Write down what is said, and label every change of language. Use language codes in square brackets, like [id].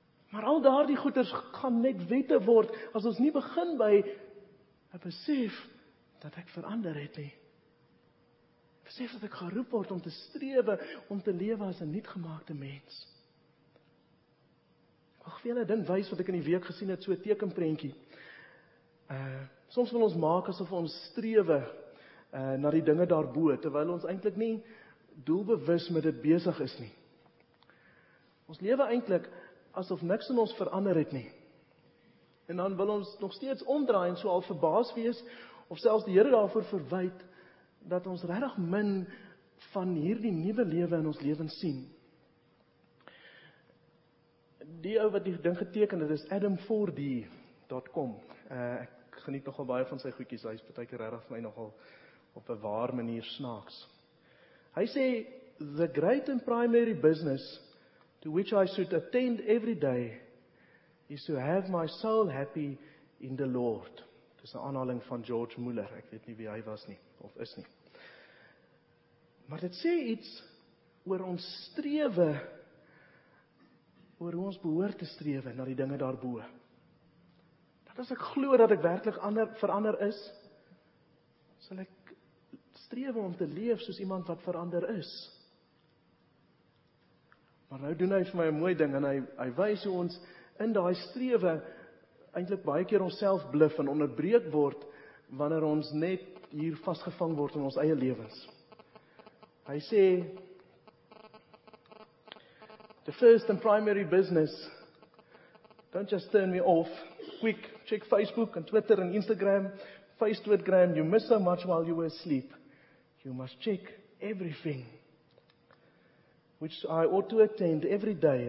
[af] Maar al daardie goeders gaan net wette word, as ons nie begin by een besef dat ek verander het nie. Besef dat ek geroep word om te strewe, om te lewe as een nietgemaakte mens. Ek wil vir julle ding wys wat ek in die week gesien het, so 'n tekenprentjie. Soms wil ons maak asof ons strewe na die dinge daarbo, terwyl ons eintlik nie doelbewus met dit besig is nie. Ons lewe eintlik asof niks in ons verander het nie. En dan wil ons nog steeds omdraai en so al verbaas wees, of selfs die Here daarvoor verwyd, dat ons regtig min van hierdie nuwe lewe in ons lewens sien. Die ou wat die ding geteken het, is adam4d.com. Ek geniet nogal baie van sy goedjies, hy is partykeer regtig vir my nogal op 'n waar manier snaaks. Hy sê, [en] the great and primary business to which I should attend every day is to have my soul happy in the Lord. [af] Dis 'n aanhaling van George Muller, ek weet nie wie hy was nie, of is nie. Maar dit sê iets oor ons strewe, oor hoe ons behoort te strewe na die dinge daarbo. Dat as ek glo dat ek werklik verander is, sal ek strewe om te leef soos iemand wat verander is. Maar nou doen hy vir my 'n mooi ding, en hy wys hoe ons in daai strewe eintlik baie keer onsself bluf en onderbreek word, wanneer ons net hier vasgevang word in ons eie lewens. Hy sê, [en] the first and primary business, don't just turn me off, quick, check Facebook and Twitter and Instagram, Facebookgram, you miss so much while you were asleep. You must check everything, which I ought to attend every day.